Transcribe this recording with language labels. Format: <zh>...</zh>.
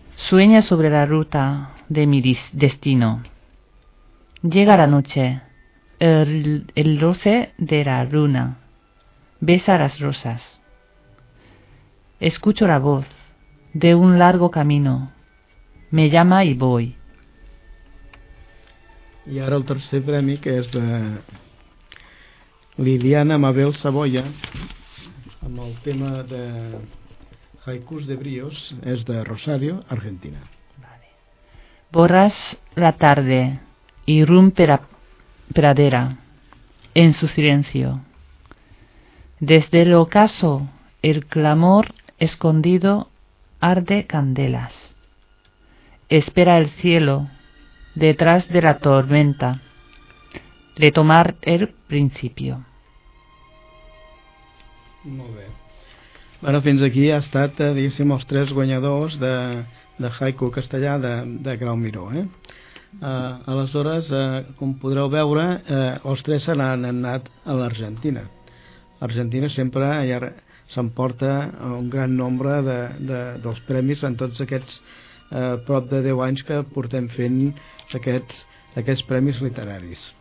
<es>Sueña sobre la ruta de mi destino. Llega la noche, el roce de la luna, besa las rosas. Escucho la voz de un largo camino, me llama y voy.</es> <ca>I ara el tercer premi, que és de Liliana Mabel Saboya, amb el tema de Haikus de Bríos, és de Rosario, Argentina.</ca> <es>Vale. Borras la tarde. Irrumpe la pradera en su silencio. Desde el ocaso, el clamor escondido arde candelas. Espera el cielo detrás de la tormenta, retomar el principio.</es> <ca>Molt bé. Bueno, fins aquí ha estat, diguéssim, els tres guanyadors de Haiku Castellà de Grau Miró, eh? Aleshores, com podreu veure, els tres se n'han anat a l'Argentina. L'Argentina sempre ja s'emporta un gran nombre dels premis en tots aquests prop de 10 anys que portem fent aquests premis literaris.</ca>